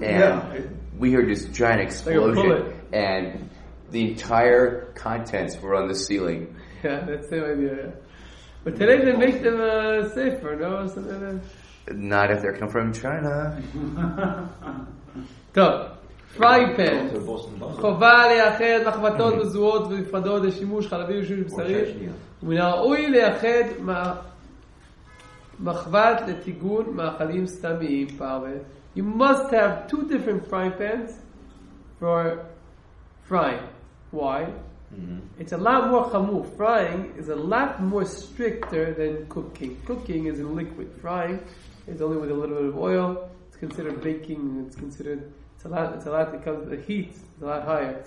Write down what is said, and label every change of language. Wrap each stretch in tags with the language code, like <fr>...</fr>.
<en>And yeah. We heard this giant explosion. Like and the entire contents were on the ceiling. Yeah, that's the same idea. Yeah. But today they make them safer, no? Something like not if they're coming from China. So, frying pan.</en> <he>חובה לאחד מחבתות מזוהות ונפרדות לשימוש חלבי ושימוש בשרי. ומן הראוי לאחד מה... מחבת לטיגון מאכלים סתמיים פרווה.</he> <en>You must have two different frying pans for frying. Why? Mm-hmm. It's a lot more chamur. Frying is a lot more stricter than cooking. Cooking is in liquid. Frying is only with a little bit of oil. It's considered baking. It's considered, it's a lot because the heat is a lot higher.</en>